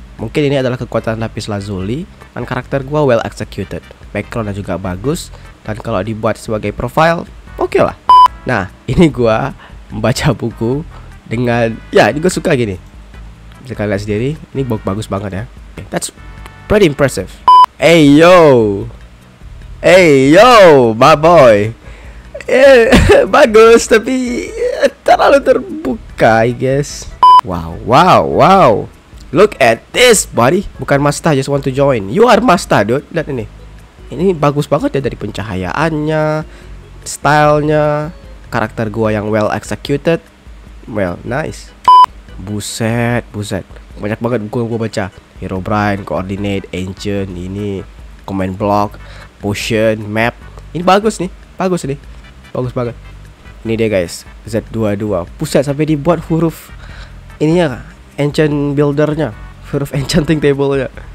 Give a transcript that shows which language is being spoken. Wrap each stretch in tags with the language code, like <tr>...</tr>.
<id>Mungkin ini adalah kekuatan lapis lazuli. Dan karakter gua well executed, backgroundnya juga bagus. Dan kalau dibuat sebagai profile, oke lah. Nah ini gua membaca buku dengan, ya ini gua suka gini. Bisa kalian lihat sendiri, ini bagus banget ya.</id> <en>That's pretty impressive. Hey yo, hey yo, my boy.</en> <id>Bagus, tapi terlalu terbuka,</id> <en>I guess. Wow, wow, wow. Look at this, buddy.</en> <id>Bukan master,</id> <en>just want to join. You are master, dude.</en> <id>Lihat ini. Ini bagus banget ya dari pencahayaannya, stylenya, karakter gua yang well executed.</id> <en>Well, nice.</en> <id>Buset, buset. Banyak banget buku yang gua baca. Herobrine, Coordinate, Ancient, ini. Command Block, Potion, Map. Ini bagus nih, bagus nih. Bagus banget. Ini dia guys, Z22. Pusat sampai dibuat huruf ininya, Ancient Builder-nya, huruf Enchanting Table-nya.</id>